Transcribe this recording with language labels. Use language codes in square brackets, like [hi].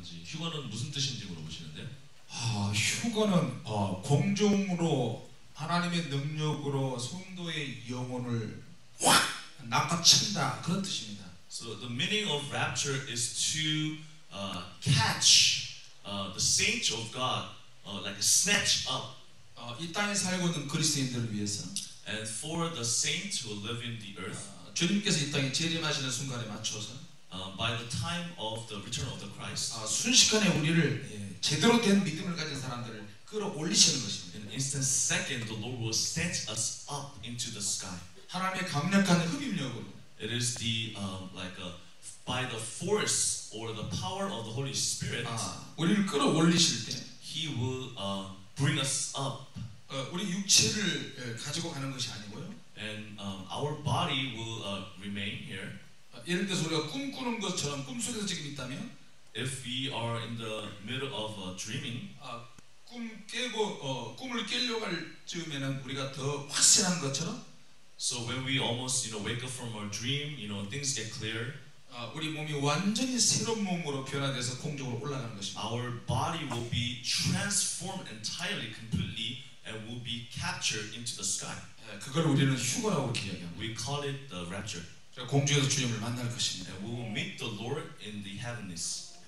[ko] 휴거는 무슨 뜻인지 물어보시는데요? 휴거는 공중으로 하나님의 능력으로 성도의 영혼을 확 낚아챈다 그런 뜻입니다. [en] So the meaning of rapture is to catch the saints of God. Like a snatch up. [ko] 이 땅에 살고 있는 그리스도인들을 위해서. [en] And for the saints who live in the earth. [ko] 주님께서 이 땅에 재림하시는 순간에 맞춰서. [en] By the time of the return of the Christ. [ko] 순식간에 우리를 제대로 된 믿음을 가진 사람들을 끌어올리시는 것입니다. [en] In an instant second, the Lord will snatch us up into the sky. [ko] 하나님의 강력한 흡입력으로. [en] It is the by the force or the power of the Holy Spirit. [ko] 우리를 끌어올리실 때. [en] He will bring us up. [ko] 우리 육체를 가지고 가는 것이 아니고요. [en] And our body will remain here. [ko] 예를 들어서 우리가 꿈꾸는 것처럼 꿈속에서 지금 있다면, [en] if we are in the middle of dreaming, [ko] 꿈을 깨려고 할 즈음에는 우리가 더 확실한 것처럼, [en] so when we almost wake up from our dream, things get clear. [ko] 우리 몸이 완전히 새로운 몸으로 변화돼서 공중으로 올라가는 것입니다. [en] Our body will be transformed entirely, completely, and will be captured into the sky. [ko] 그걸 우리는 휴거라고 이야기합니다. [en] We call it the rapture. [ko] 공중에서 주님을 만날 것입니다. [en] And we will meet the Lord in the heavens.